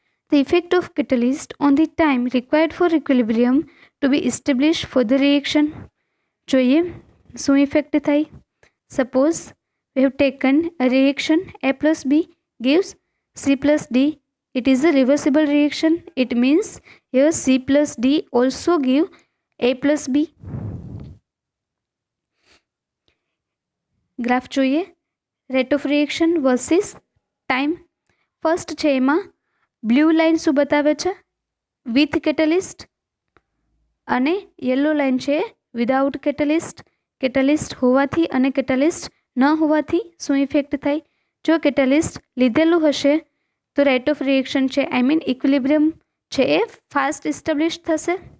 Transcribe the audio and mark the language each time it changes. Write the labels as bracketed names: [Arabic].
[English] The effect of catalyst on the time required for equilibrium to be establish for the reaction. [Gujarati] જોઈએ શું effect થાય. [English] Suppose we have taken a reaction, A plus B gives C plus D. It is a reversible reaction. It means here C plus D also give A plus B. Graph [Gujarati] જોઈએ, [English] rate of reaction versus time. First [Gujarati] છે એમાં [English] blue line [Gujarati] શું બતાવે છે [English] with catalyst, [Gujarati] અને [English] yellow line છે without catalyst. [Gujarati] Catalyst હોવાથી અને catalyst ન હોવાથી શું ઇફેક્ટ થાય. જો catalyst લીધેલું હશે તો રેટ ઓફ રિએક્શન છે, [English] I mean [Gujarati] ઇક્વિલિબ્રિયમ છે એ ફાસ્ટ ઇસ્ટેબ્લિશ થશે.